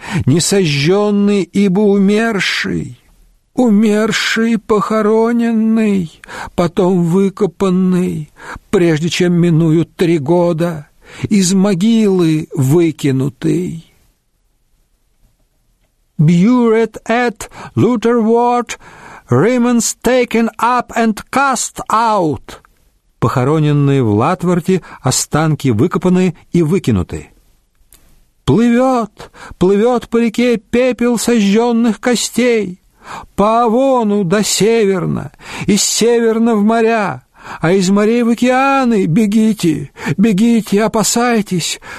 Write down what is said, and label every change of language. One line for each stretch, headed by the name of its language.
Russian: Несожженный, ибо умерший. Умерший, похороненный, потом выкопанный, прежде чем минуют 3 года, из могилы выкинутый.
English: Buried at Lutterworth, remains taken up and cast out.
Russian: Похороненные в Латворте, останки выкопаны и выкинуты. Плывет, плывет по реке пепел сожженных костей. По Авону до Северна, из Северна в моря, а из морей в океаны бегите, бегите, опасайтесь.